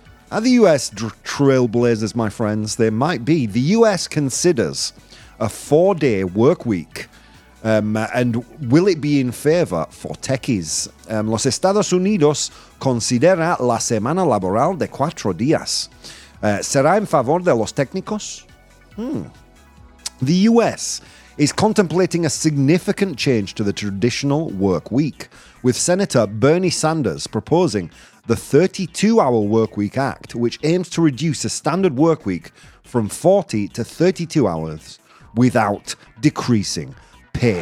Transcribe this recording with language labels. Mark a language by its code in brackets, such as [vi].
[en] Are the US trailblazers, my friends? They might be. The US considers a four-day work week. And will it be in favor for techies? [es] Los Estados Unidos considera la semana laboral de cuatro días. ¿Será en favor de los técnicos? [en] The US is contemplating a significant change to the traditional work week, with Senator Bernie Sanders proposing the 32-Hour Work Week Act, which aims to reduce a standard work week from 40 to 32 hours without decreasing pay.